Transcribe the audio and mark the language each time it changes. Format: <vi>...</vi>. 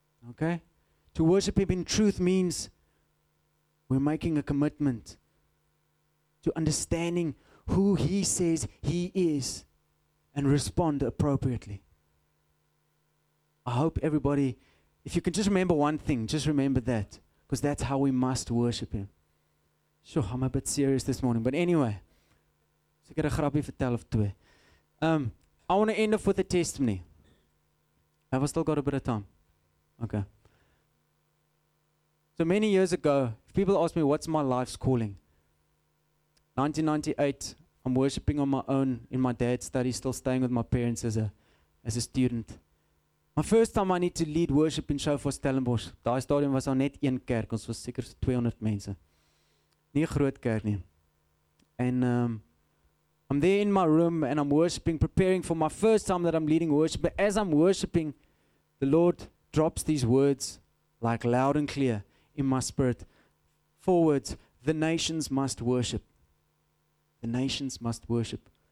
<en>Okay? To worship Him in truth means we're making a commitment to understanding who He says He is and respond appropriately. I hope everybody, if you can just remember one thing, just remember that. Because that's how we must worship Him. Sure, I'm a bit serious this morning. But anyway, so</en> <af>ek het 'n grappie vertel of twee.</af> <en>I want to end off with a testimony. Have I still got a bit of time? Okay. So many years ago, if people ask me, what's my life's calling? 1998, I'm worshiping on my own in my dad's study, still staying with my parents as a student. My first time I need to lead worship in Shofar Stellenbosch.</en> <af>Daai stadium was al net een kerk, ons was seker 200 mense. Nie 'n groot kerk nie.</af> <en>And I'm there in my room and I'm worshiping, preparing for my first time that I'm leading worship. But as I'm worshiping, the Lord drops these words like loud and clear in my spirit. Four words, the nations must worship. The nations must worship.</en>